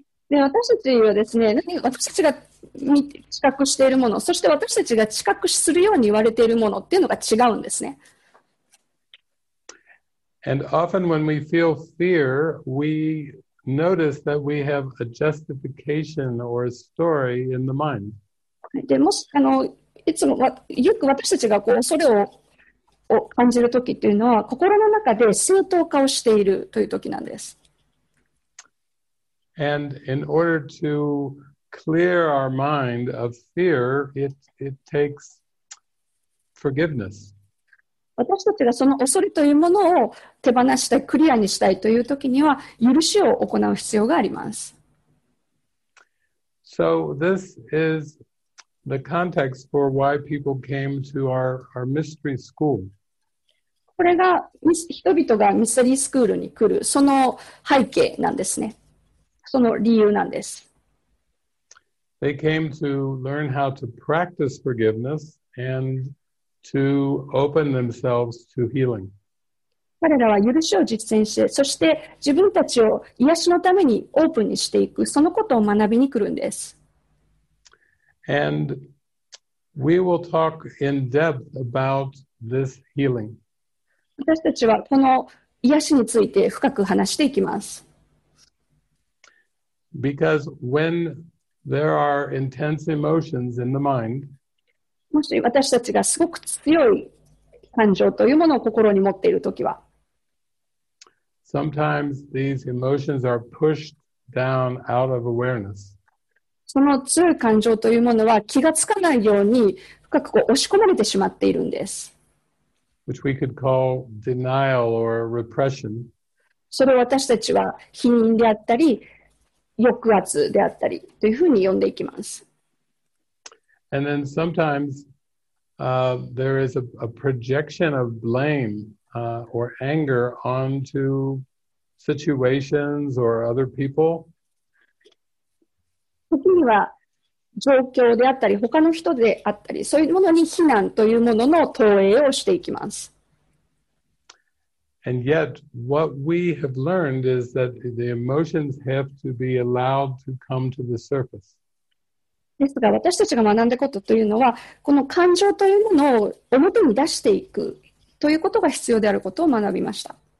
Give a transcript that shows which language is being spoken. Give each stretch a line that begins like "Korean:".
Japanese: で、私たちはですね、私たちが知覚しているもの、そして私たちが知覚するように言われているものっていうのが違うんですね。
English: And often when we feel fear, we notice that we have a justification or a story in the mind.
Japanese: で、もし、いつも、よく私たちがこう恐れを感じるときっていうのは、心の中で正当化をしているというときなんです。
English: And in order to clear our mind of fear, it takes forgiveness.
Japanese: 私たちがその恐れというものを手放したい、クリアにしたいというときには、許しを行う必要があります。
English: So this is the context for why people came to our mystery school.
Japanese: これが人々がミステリースクールに来るその背景なんですね。その理由なんです。
English: They came to learn how to practice forgiveness and to open themselves to healing.
Japanese: 彼らは許しを実践して、そして自分たちを癒しのためにオープンにしていく、そのことを学びに来るんです。
English: And we will talk in depth about this healing.
Japanese: 私たちはこの癒しについて深く話していきます。
English: Because when there are intense emotions in the mind,
Japanese: もし私たちがすごく強い感情というものを心に持っているときは、
English: sometimes these emotions are pushed down out of awareness.
Japanese: その強い感情というものは気がつかないように深くこう押し込まれてしまっているんです。
English: Which we could call denial or repression.
Japanese: それを私たちは否認であったり、抑圧であったりというふうに呼んでいきます。
English: And then sometimes, there is a projection of blame, or anger onto situations or other people.
Japanese: 時には状況であったり、他の人であったり、そういうものに非難というものの投影をしていきます。
English: And yet, what we have learned is that the emotions have to be allowed to come to the surface.
Japanese: ですが、私たちが学んだことというのは、この感情というものを表に出していくということが必要であることを学びました。